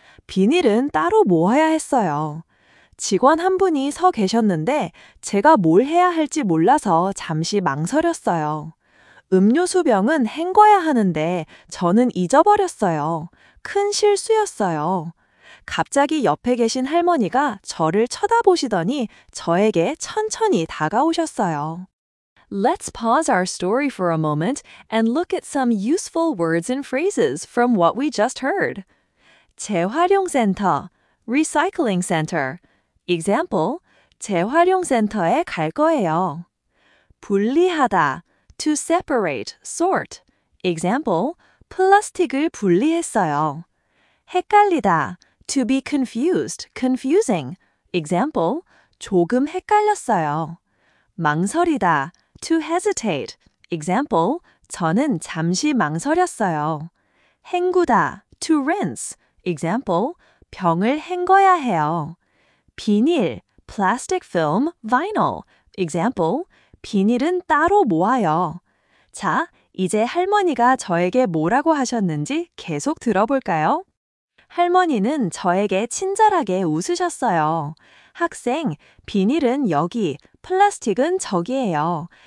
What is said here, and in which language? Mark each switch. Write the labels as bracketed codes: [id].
[ko] 비닐은 따로 모아야 했어요. 직원 한 분이 서 계셨는데 제가 뭘 해야 할지 몰라서 잠시 망설였어요. 음료수 병은 헹궈야 하는데 저는 잊어버렸어요. 큰 실수였어요. 갑자기 옆에 계신 할머니가 저를 쳐다보시더니 저에게 천천히 다가오셨어요. [en] Let's pause our story for a moment and look at some useful words and phrases from what we just heard. [ko] 재활용센터, [en] recycling center. Example, [ko] 재활용센터에 갈 거예요. [en] 분리하다, to separate, sort. [ko] Example, 플라스틱을 분리했어요. [en] 헷갈리다, to be confused, confusing. [ko] Example, 조금 헷갈렸어요. [en] 망설이다, to hesitate. [ko] Example, 저는 잠시 망설였어요. 헹구다, [en] to rinse. Example, [ko] 병을 헹궈야 해요. [en] 비닐, plastic film, vinyl. Example, [ko] 비닐은 따로 모아요. 자, 이제 할머니가 저에게 뭐라고 하셨는지 계속 들어볼까요? 할머니는 저에게 친절하게 웃으셨어요. 학생, 비닐은 여기, 플라스틱은 저기예요.